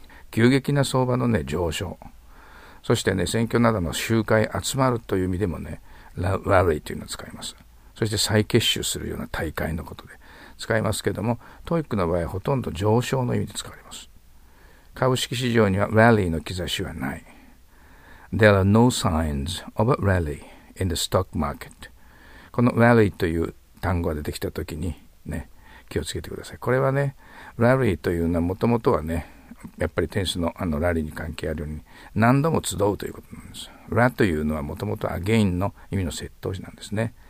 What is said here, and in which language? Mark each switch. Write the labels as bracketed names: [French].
[Japanese] 急激な相場の、ね、上昇。そしてね、選挙などの集会集まるという意味でもね、Rally というのを使います。そして再結集するような大会のことで使いますけれども、TOEIC の場合はほとんど上昇の意味で使われます。株式市場には Rally の兆しはない。 [English] There are no signs of a rally in the stock market. [Japanese] この Rally という単語が出てきたときにね、気をつけてください。これはね、Rally というのはもともとはね、やっぱりテニス の, あのラリーに関係あるように何度も集うということなんです。ラというのはもともとアゲインの意味の接頭詞なんですね。